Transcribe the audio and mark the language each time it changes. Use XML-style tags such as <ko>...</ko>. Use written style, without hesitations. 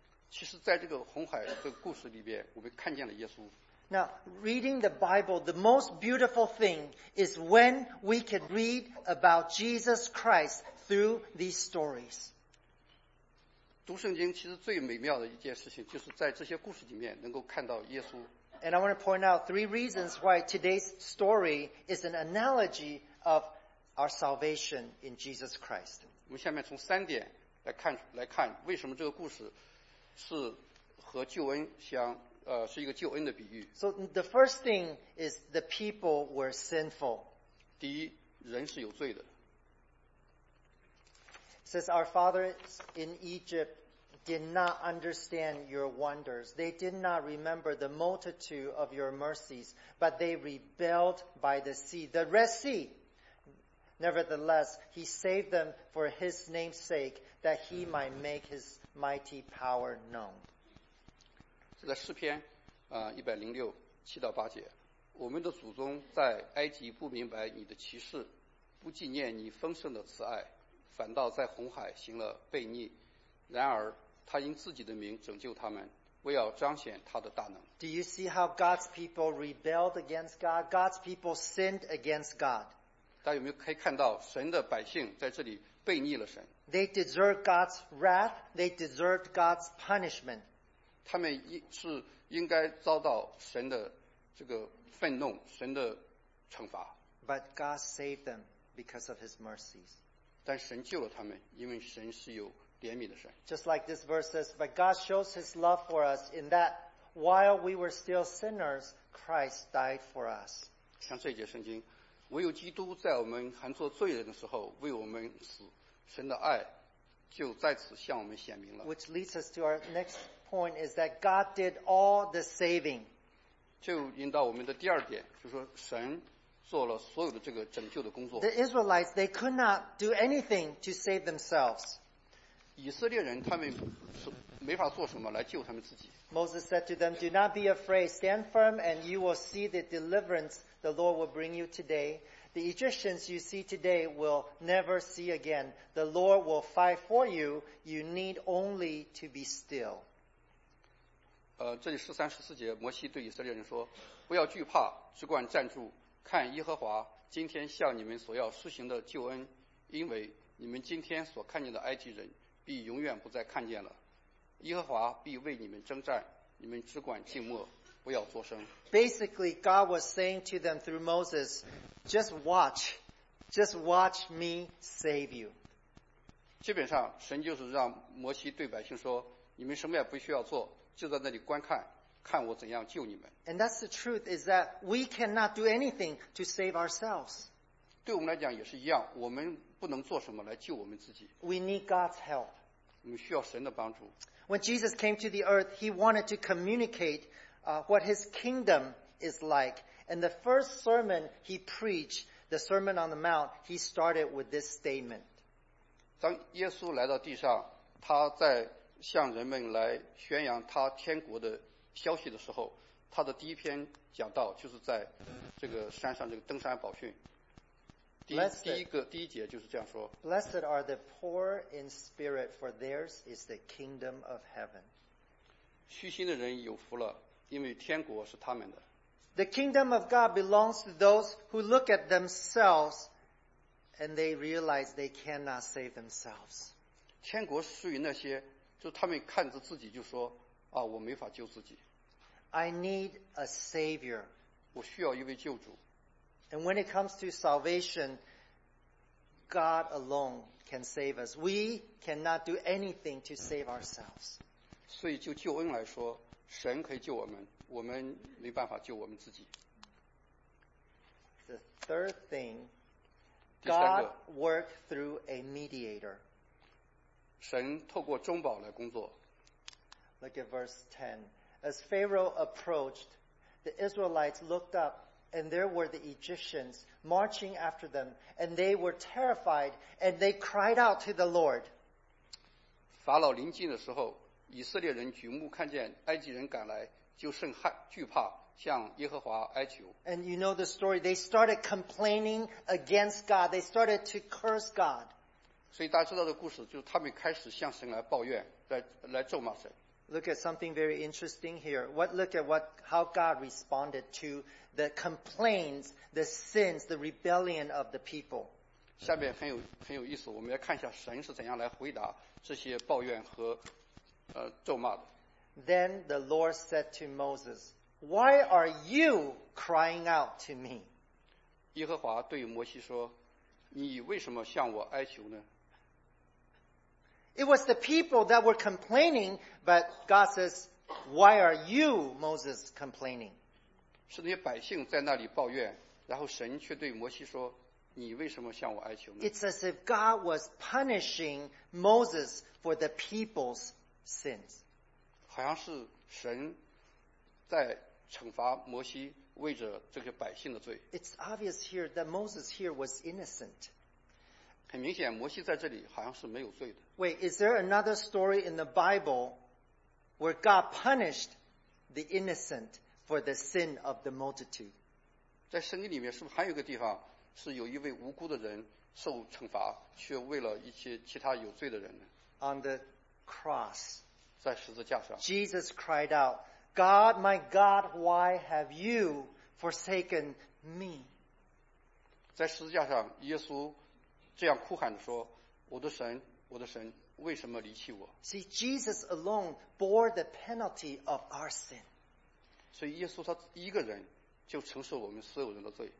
<zh>其实在这个红海的故事里边，我们看见了耶稣。</zh> <en>Now, reading the Bible, the most beautiful thing is when we can read about Jesus Christ through these stories.</en> <zh>读圣经其实最美妙的一件事情，就是在这些故事里面能够看到耶稣。</zh> <en>And I want to point out three reasons why today's story is an analogy of Our salvation in Jesus Christ.</en> <zh>我们下面从三点来看为什么这个故事是和救恩相是一个救恩的比喻。</zh> <en>So the first thing is the people were sinful.</en> <zh>第一，人是有罪的。</zh> <en>It says our fathers in Egypt did not understand your wonders. They did not remember the multitude of your mercies, but they rebelled by the sea, the Red Sea. Nevertheless, he saved them for his name's sake, that he might make his mighty power known.</en> <zh>在诗篇106:7到八节，我们的祖宗在埃及不明白你的奇事，不纪念你丰盛的慈爱，反倒在红海行了悖逆。然而，他因自己的名拯救他们，为要彰显他的大能。</zh> <en>Do you see how God's people rebelled against God? God's people sinned against God.</en> <zh>大家有没有可以看到神的百姓在这里悖逆了神</zh> <en>They deserve God's wrath. They deserve God's punishment.</en> <zh>他们是应该遭到神的这个愤怒神的惩罚</zh> <en>But God saved them because of his mercies.</en> <zh>但神救了他们因为神是有怜悯的神。</zh> <en>Just like this verse says, but God shows his love for us in that while we were still sinners, Christ died for us.</en> <zh>像这节圣经，唯有基督在我们还做罪人的时候为我们死，神的爱就在此向我们显明了。</zh> <en>Which leads us to our next point is that God did all the saving.</en> <zh>就引到我们的第二点，就是说神做了所有的这个拯救的工作。</zh> <en>The Israelites, they could not do anything to save themselves.</en> <zh>以色列人他们没法做什么来救他们自己。</zh> <en>Moses said to them, do not be afraid, stand firm, and you will see the deliverance the Lord will bring you today. The Egyptians you see today will never see again. The Lord will fight for you. You need only to be still.</en> <zh>这里十三、十四节，摩西对以色列人说，不要惧怕，只管站住。看耶和华今天向你们所要施行的救恩，因为你们今天所看见的埃及人必永远不再看见了。耶和华必为你们征战，你们只管静默，不要作声。</zh> <en>Basically, God was saying to them through Moses, just watch me save you.</en> <zh>基本上，神就是让摩西对百姓说，你们什么也不需要做，就在那里观看。看我怎样救你们。</zh> <en>And that's the truth, is that we cannot do anything to save ourselves.</en> <zh>对我们来讲也是一样，我们不能做什么来救我们自己。</zh> <en>We need God's help.</en> <zh>我们需要神的帮助。</zh> <en>When Jesus came to the earth, he wanted to communicate, what his kingdom is like. And the first sermon he preached, the Sermon on the Mount, he started with this statement.</en> <zh>当耶稣来到地上，他在向人们来宣扬他天国的消息的时候，他的第一篇讲道就是在这个山上，这个登山宝训。第一节就是这样说。</zh> <en>Blessed are the poor in spirit, for theirs is the kingdom of heaven.</en> <zh>虚心的人有福了，因为天国是他们的。</zh> <en>The kingdom of God belongs to those who look at themselves and they realize they cannot save themselves.</en> <zh>天国属于那些，就他们看着自己就说，啊，我没法救自己。</zh> <en>I need a savior.</en> <zh>我需要一位救主。</zh> <en>And when it comes to salvation, God alone can save us. We cannot do anything to save ourselves.</en> <zh>所以就救恩来说，神可以救我们，我们没办法救我们自己。</zh> <en>The third thing, God worked through a mediator.</en> <zh>神透过中保来工作。</zh> <en>Look at verse 10. As Pharaoh approached, the Israelites looked up, and there were the Egyptians marching after them, and they were terrified, and they cried out to the Lord.</en> <zh>法老临近的时候，以色列人举目看见埃及人赶来，就甚害惧怕，向耶和华哀求。</zh> <en>And you know the story. They started complaining against God. They started to curse God.</en> <zh>所以大家知道的故事，就是他们开始向神来抱怨，来咒骂神。</zh> <en>Look at something very interesting here. Look at how God responded to the complaints, the sins, the rebellion of the people.</en> <zh>下面很有意思，我们要看一下神是怎样来回答这些抱怨和咒骂的。</zh> <en>Then the Lord said to Moses, "Why are you crying out to me?"</en> <zh>耶和华对摩西说，你为什么向我哀求呢？</zh> <en>It was the people that were complaining, but God says, why are you, Moses, complaining?</en> <zh>是那些百姓在那里抱怨，然后神却对摩西说，你为什么向我哀求呢？</zh> <en>It's as if God was punishing Moses for the people's sins.</en> <zh>好像是神在惩罚摩西为着这些百姓的罪。</zh> <en>It's obvious here that Moses here was innocent.</en> <zh>很明显，摩西在这里好像是没有罪的。</zh> <en>Wait, is there another story in the Bible where God punished the innocent for the sin of the multitude?</en> <zh>在圣经里面是不是还有一个地方是有一位无辜的人受惩罚，却为了一些其他有罪的人呢？</zh> <en>On the cross,</en> <zh>在十字架上，</zh> <en>Jesus cried out, God, my God, why have you forsaken me?</en> <zh>在十字架上，耶稣这样哭喊着说，我的神。我的神，为什么离弃我？</zh> <en>See, Jesus alone bore the penalty of our sin.</en> <zh>所以耶稣他一个人就承受我们所有人的罪。</zh>